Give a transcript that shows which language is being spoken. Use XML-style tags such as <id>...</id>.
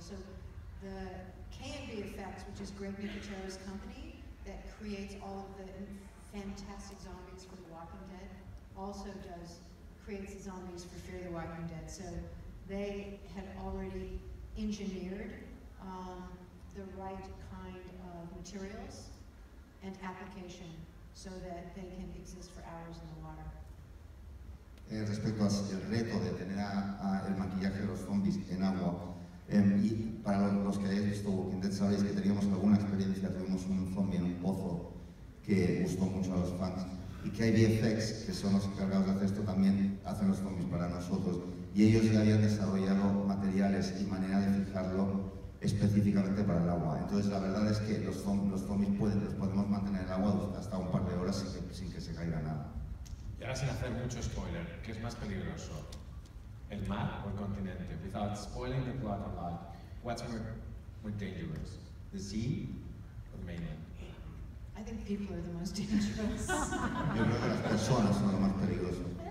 <en>So the K&B Effects, which is Greg Nicotero's company that creates all of the fantastic zombies for The Walking Dead, also creates the zombies for Fear the Walking Dead. So they had already engineered the right kind of materials and application so that they can exist for hours in the water.</en> <es>Respecto al reto de tener el maquillaje de los zombies en agua, y para los que hayáis visto Walking Dead sabéis que teníamos alguna experiencia, tuvimos un zombie en un pozo que gustó mucho a los fans. Y KBFX, que son los encargados de hacer esto, también hacen los zombies para nosotros. Y ellos ya habían desarrollado materiales y manera de fijarlo específicamente para el agua. Entonces, la verdad es que los zombies los podemos mantener en el agua hasta un par de horas sin que se caiga nada. Y ahora, sin hacer mucho spoiler, ¿qué es más peligroso? ¿El mar o el continente?</es> <en>Without spoiling the plot a lot, what's more dangerous? The sea or the mainland? I think people are the most dangerous.</en> <es>Yo creo que las personas son lo más peligroso.</es>